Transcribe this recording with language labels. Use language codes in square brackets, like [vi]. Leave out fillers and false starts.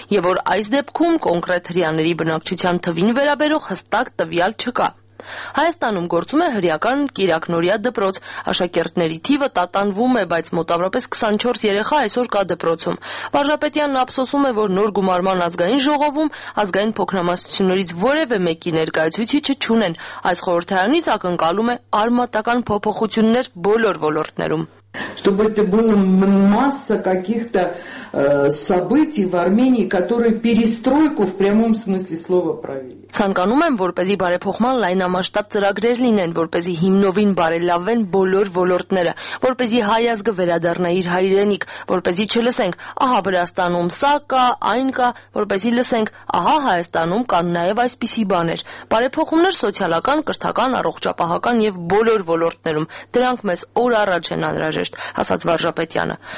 [hy] և որ այս դեպքում կոնկրետ հրեաների բնակչության թվին վերաբերող հստակ տվյալ չկա։ Հայաստանում գործում է հրեական կիրակնորյա դպրոց, աշակերտների թիվը տատանվում է, բայց մոտավորապես 24 երեխա այսօր կա դպրոցում։ Վարժապետյանն ափսոսում է, որ նոր գումարման ազգային ժողովում ազգային փոքրամասնություններից որևէ մեկի ներկայացուցիչը չունեն։ Այս խորհրդարանից ակնկալում է արմատական փոփոխություններ բոլոր ոլորտներում։ [ru] Чтобы это было масса каких-то событий в Армении, которые перестройку в прямом смысле слова провели. [hy] Ցանկանում եմ, որպեսզի բարեփոխման լայնամասշտաբ ծրագրեր լինեն, որպեսզի հիմնովին բարելավեն բոլոր ոլորտները, որպեսզի հայ ազգը վերադառնա իր հայրենիք, որպեսզի չլսենք, ահա Վրաստանում սա կա, այն կա, որպեսզի լսենք, ահա Հայաստանում կան նաև այսպիսի բաներ։ Բարեփոխումներ սոցիալական, կրթական, առողջապահական եւ բոլոր ոլորտներում, դրանք մեզ օր առաջ են անհրաժեշտ, ասաց Վարժապետյանը։